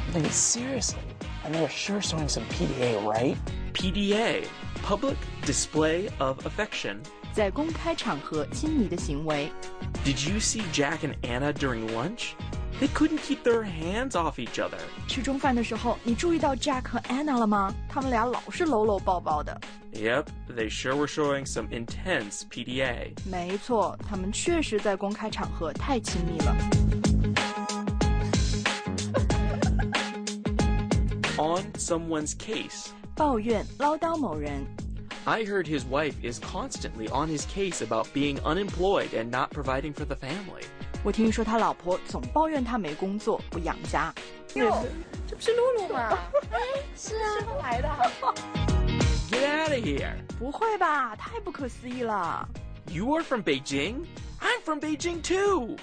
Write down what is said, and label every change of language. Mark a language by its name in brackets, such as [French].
[English] Seriously, I know you're sure showing some PDA, right? PDA, public display of affection. [Chinese] 在公开场合亲昵的行为。 [English] Did you see Jack and Anna during lunch? They couldn't keep their hands off each other. [Chinese] 吃中饭的时候，你注意到 Jack 和 Anna 了吗？他们俩老是搂搂抱抱的。 [English] Yep, they sure were showing some intense PDA. [Chinese] 没错，他们确实在公开场合太亲密了。 [English] On someone's case. [Chinese] 抱怨，唠叨某人。 [English] I heard his wife is constantly on his case about being unemployed and not providing for the family. [Chinese] 我听说他老婆总抱怨他没工作，不养家。哟，这不是露露吗？是啊，是他来的。 [English] Get out of here! [Chinese] 不会吧，太不可思议了。 [English] You are from Beijing? I'm from Beijing too!